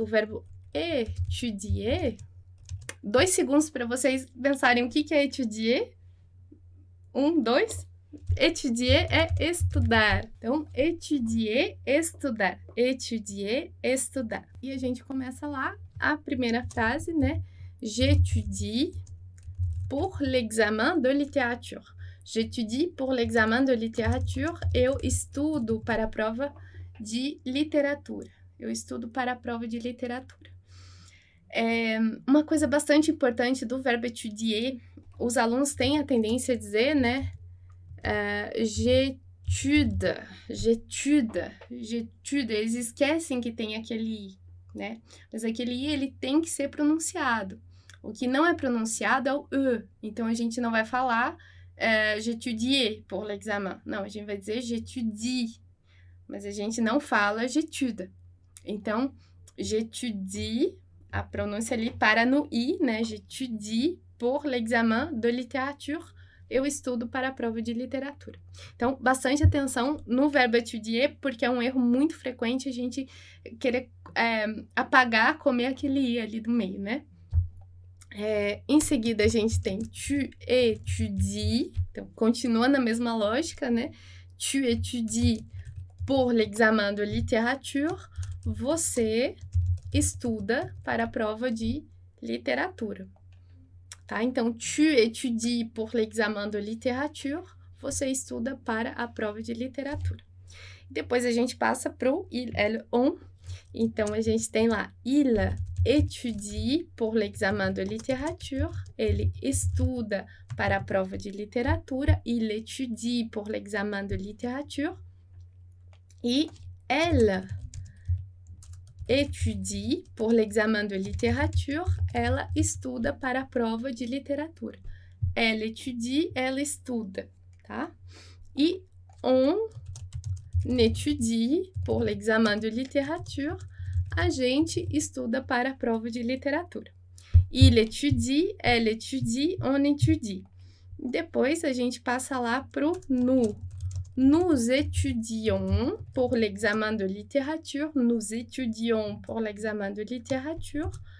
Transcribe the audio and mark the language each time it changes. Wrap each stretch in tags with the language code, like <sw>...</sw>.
<pt>O verbo étudier... Dois segundos para vocês pensarem o que é étudier. Um, dois. Étudier é estudar. Então, étudier, estudar. Étudier, estudar. E a gente começa lá a primeira frase, né?</pt> <fr>J'étudie pour l'examen de littérature. J'étudie pour l'examen de littérature.</fr> <pt>Eu estudo para a prova de literatura. Eu estudo para a prova de literatura. É, uma coisa bastante importante do verbo étudier, os alunos têm a tendência a dizer, né?</pt> <fr>J'étude, j'étude, j'étude.</fr> <pt>Eles esquecem que tem aquele i, né? Mas aquele i, ele tem que ser pronunciado. O que não é pronunciado é o e. Então, a gente não vai falar</pt> <fr>j'étudie pour l'examen.</fr> <pt>Não, a gente vai dizer j'étudie. Mas a gente não fala j'étude. Então, j'étudie. A pronúncia ali para no i, né?</pt> <fr>J'étudie pour l'examen de littérature.</fr> <pt>Eu estudo para a prova de literatura. Então, bastante atenção no verbo étudier, porque é um erro muito frequente a gente querer apagar, comer aquele i ali do meio, né? É, em seguida, a gente tem</pt> <fr>tu étudie.</fr> <pt>Então, continua na mesma lógica, né?</pt> <fr>Tu étudie pour l'examen de littérature.</fr> <pt>Você estuda para a prova de literatura, tá? Então,</pt> <fr>tu étudies pour l'examen de littérature,</fr> <pt>você estuda para a prova de literatura. Depois a gente passa pro il, elle, on. Então, a gente tem lá,</pt> <fr>il étudie pour l'examen de littérature,</fr> <pt>ele estuda para a prova de literatura, il étudie pour l'examen de littérature, e</pt> <fr>elle étudie pour l'examen de littérature,</fr> <pt>ela estuda para a prova de literatura.</pt> <fr>Elle étudie,</fr> <pt>ela estuda, tá? E</pt> <fr>on étudie pour l'examen de littérature,</fr> <pt>a gente estuda para a prova de literatura.</pt> <fr>Il étudie, elle étudie, on étudie.</fr> <pt>Depois a gente passa lá pro nous.</pt> <fr>Nous étudions pour l'examen de littérature. Nous étudions pour l'examen de littérature.</fr>